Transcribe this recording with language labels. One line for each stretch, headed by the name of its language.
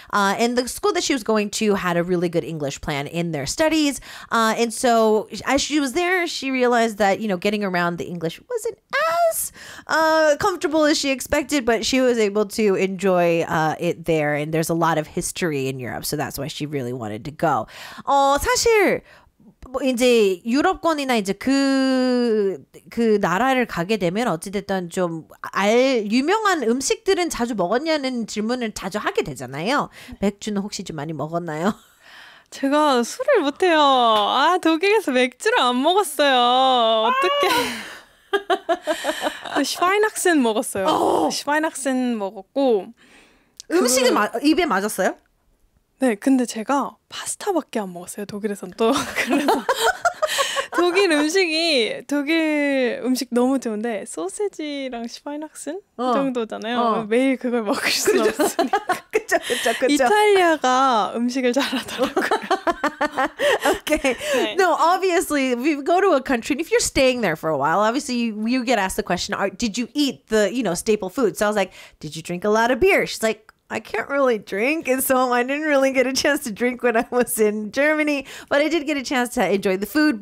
English: And the school that she was going to had a really good English plan in their studies. And so as she was there, she realized that, you know, getting around the English wasn't as comfortable as she expected, but she was able to enjoy it there. And there's a lot of history in Europe, so that's why she really wanted to go.
Korean: 사실 뭐 이제 유럽권이나 이제 그 나라를 가게 되면 어찌됐든 좀 알 유명한 음식들은 자주 먹었냐는 질문을 자주 하게 되잖아요. 맥주는 혹시 좀 많이 먹었나요? 제가 술을 못해요. 아, 독일에서 맥주를 안 먹었어요. 어떻게? 슈바인학센 먹었어요. 슈바인학센 먹었고 음식은 입에 맞았어요? 네, 근데 제가 파스타밖에 안 먹었어요, 독일에선 또. 그래서 독일 음식이, 독일 음식 너무 좋은데 소세지랑 슈바인학센 정도잖아요. 매일 그걸 먹을 수 그렇죠. 없으니까. 그쵸, 그쵸, 그쵸. 이탈리아가 음식을 잘하더라고요.
English: Okay. 네. No, obviously, we go to a country, and if you're staying there for a while, obviously, you get asked the question, did you eat the, you know, staple food? So I was like, did you drink a lot of beer? She's like, I can't really drink, and so I didn't really get a chance to drink when I was in Germany, but I did get a chance to enjoy the food.